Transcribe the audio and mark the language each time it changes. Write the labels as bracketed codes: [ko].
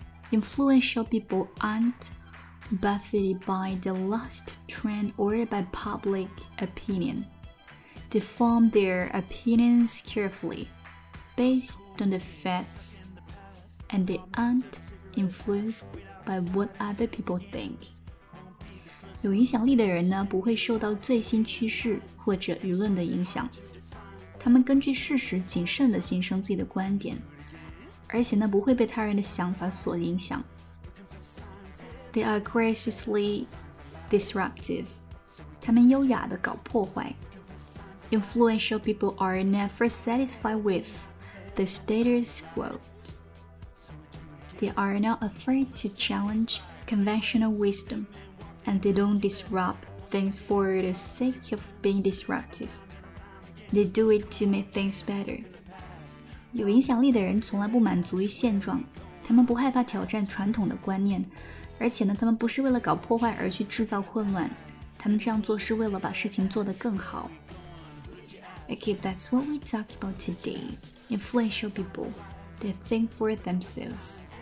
[en] Influential people aren'tBuffeted by the last trend or by public opinion. They form their opinions carefully, based on the facts, and they aren't influenced by what other people think. [zh] 有影响力的人呢，不会受到最新趋势或者舆论的影响。他们根据事实谨慎地形成自己的观点，而且呢，不会被他人的想法所影响。 [en] They are graciously disruptive. [zh] 他们优雅地搞破坏。 [en] Influential people are never satisfied with the status quo. They are not afraid to challenge conventional wisdom, and they don't disrupt things for the sake of being disruptive. They do it to make things better. [zh] 有影响力的人从来不满足于现状，他们不害怕挑战传统的观念。而且呢，他们不是为了搞破坏而去制造混乱，他们这样做是为了把事情做得更好。 [en] Okay, that's what we talk about today. Influential people, they think for themselves.